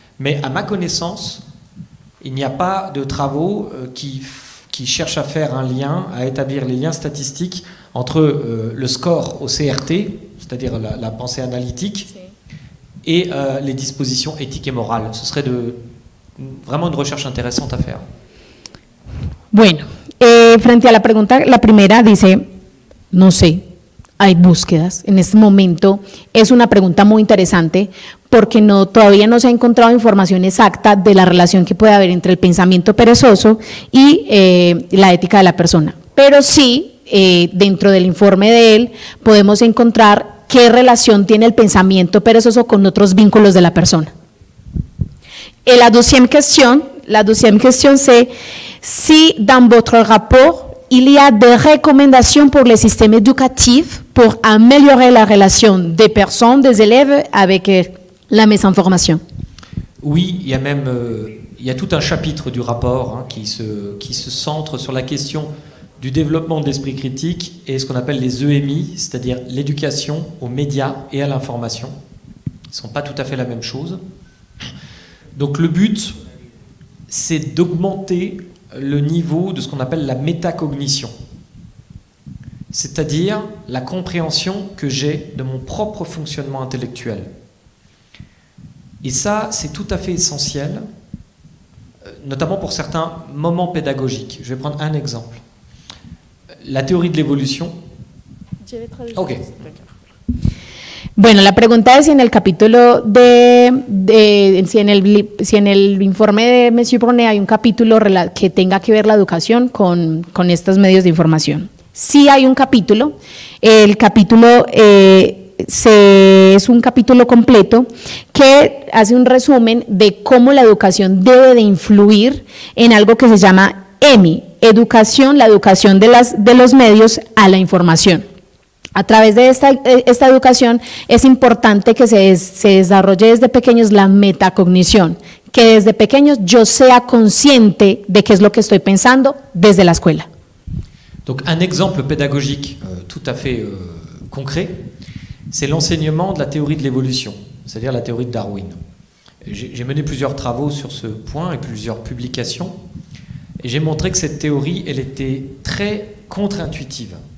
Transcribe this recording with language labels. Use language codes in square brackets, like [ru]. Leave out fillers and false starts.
[fr] Mais à ma connaissance, il n'y a pas de travaux qui cherchent à faire un lien, à établir les liens statistiques entre le score au CRT, c'est-à-dire la pensée analytique, et les dispositions éthiques et morales. Ce serait vraiment une recherche intéressante à faire. [es] Bueno, frente a la pregunta, la primera dice, no sé, hay búsquedas. En este momento es una pregunta muy interesante porque todavía no se ha encontrado información exacta de la relación que puede haber entre el pensamiento perezoso y la ética de la persona. Pero sí, dentro del informe de él, podemos encontrar qué relación tiene el pensamiento perezoso con otros vínculos de la persona. [fr] La deuxième question, c'est si dans votre rapport, il y a des recommandations pour le système éducatif pour améliorer la relation des personnes, des élèves avec la mésinformation. Oui, il y a même tout un chapitre du rapport qui se centre sur la question du développement d'esprit critique et ce qu'on appelle les EMI, c'est-à-dire l'éducation aux médias et à l'information. Ce ne sont pas tout à fait la même chose. Donc le but, c'est d'augmenter le niveau de ce qu'on appelle la métacognition, c'est-à-dire la compréhension que j'ai de mon propre fonctionnement intellectuel. Et ça, c'est tout à fait essentiel, notamment pour certains moments pédagogiques. Je vais prendre un exemple. La théorie de l'évolution. Ok. [es] Bueno, la pregunta es si en el capítulo si en el informe de Monsieur Brunet hay un capítulo que tenga que ver la educación con estos medios de información. Sí hay un capítulo, el capítulo es un capítulo completo que hace un resumen de cómo la educación debe de influir en algo que se llama EMI, educación, la educación de los medios a la información. A través de esta educación es importante que se desarrolle desde pequeños la metacognición, que desde pequeños yo sea consciente de qué es lo que estoy pensando desde la escuela. [fr] Donc un exemple pédagogique tout à fait concret, c'est l'enseignement de la théorie de l'évolution, c'est-à-dire la théorie de Darwin. J'ai mené plusieurs travaux sur ce point et plusieurs publications, et j'ai montré que cette théorie, elle était très contre-intuitive.